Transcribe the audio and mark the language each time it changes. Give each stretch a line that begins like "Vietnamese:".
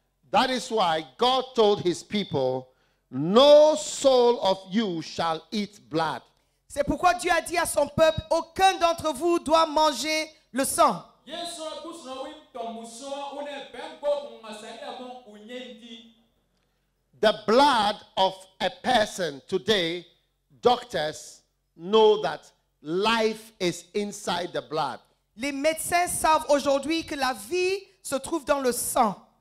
English: That is why God told his people, no soul of you shall eat blood.
French: C'est pourquoi Dieu a dit à son peuple, aucun d'entre vous doit manger le sang.
English: The blood of a person today, doctors know that life is inside the blood.
French: Les médecins savent aujourd'hui que la vie se trouve dans le sang.